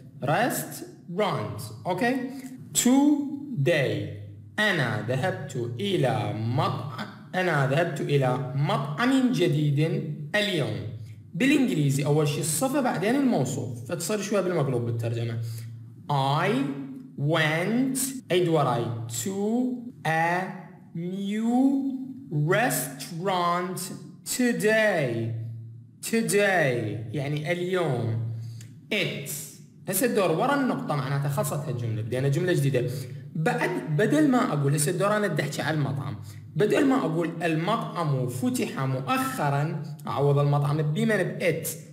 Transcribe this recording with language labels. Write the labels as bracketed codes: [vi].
[en] restaurant okay. [ar] today أنا ذهبت إلى مطعم جديد اليوم. بالإنجليزي أول شيء الصفة بعدين الموصوف، فتصير شوية بالمقلوب بالترجمة. [en] I went أدوري to a new restaurant today. [ar] today يعني اليوم. it هسه الدور ورا النقطة، معناتها خلصت هالجملة، بدينا جملة جديدة. بعد بدل ما أقول هسه الدور أنا أدحكي على المطعم، بدل ما أقول المطعم فتح مؤخرا، أعوض المطعم بمن ب it.